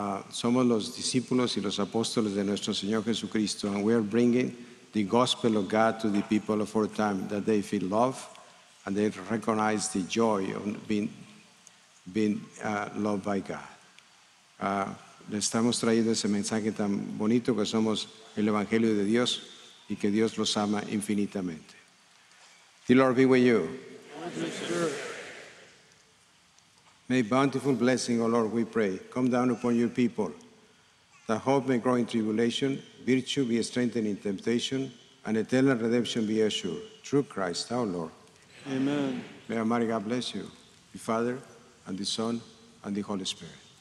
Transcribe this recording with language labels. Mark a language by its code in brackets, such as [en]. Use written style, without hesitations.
[es] Somos los discípulos y los apóstoles de nuestro Señor Jesucristo, [en] and we are bringing the gospel of God to the people of our time, that they feel love and they recognize the joy of being loved by God. [es] Le estamos trayendo ese mensaje tan bonito que somos el Evangelio de Dios y que Dios los ama infinitamente. [en] The Lord be with you. May bountiful blessing, O Lord, we pray, come down upon your people, that hope may grow in tribulation, virtue be strengthened in temptation, and eternal redemption be assured. Through Christ our Lord. Amen. May Almighty God bless you, the Father, and the Son, and the Holy Spirit.